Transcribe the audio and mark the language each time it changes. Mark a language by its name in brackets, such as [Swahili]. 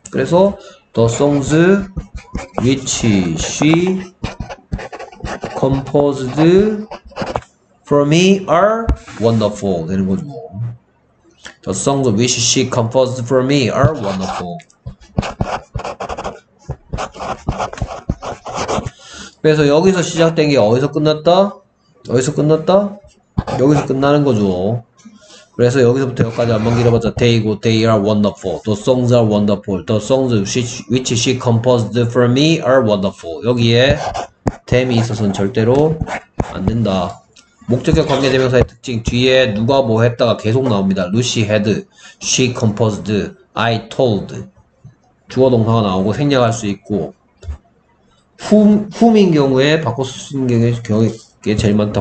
[English] 그래서 더 송즈 위치 she composed for me are wonderful [Korean] 되는 거죠. [English] 더 송즈 위치 she composed for me are wonderful. [Korean] 그래서 여기서 시작된 게 어디서 끝났다? 어디서 끝났다? 여기서 끝나는 거죠. 그래서 여기서부터 여기까지 한번 길어봤자 [English] they go they are wonderful the songs are wonderful the songs which she composed for me are wonderful. [Korean] 여기에 them이 있어서는 절대로 안 된다. 목적격 관계대명사의 특징 뒤에 누가 뭐 했다가 계속 나옵니다. [English] Lucy had she composed I told [Korean] 주어 동사가 나오고 생략할 수 있고 whom인 경우에 바꿔 쓸 수 있는 경우에 게 제일 많다.